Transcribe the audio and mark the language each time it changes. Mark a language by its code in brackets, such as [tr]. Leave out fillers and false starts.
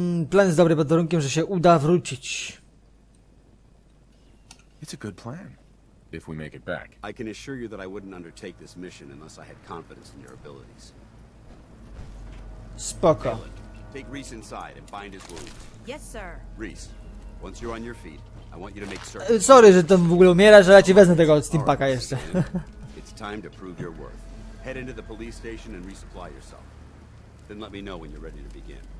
[pl] Plan jest dobry pod warunkiem, że się uda wrócić. [en] It's a good plan. If we make it back. I can assure you that I wouldn't undertake this mission unless I had confidence in your abilities. [pl] Spoko. [en] Take Reese inside and bind his wounds. Yes, sir. Reese, once you're on your feet, I want you to make certain. [pl] Sorry, że to w ogóle umiera, że ja ci wezmę tego steampaka jeszcze. [en] It's time to prove your worth. Head into the police station and resupply yourself. Then let me know when you're ready to begin.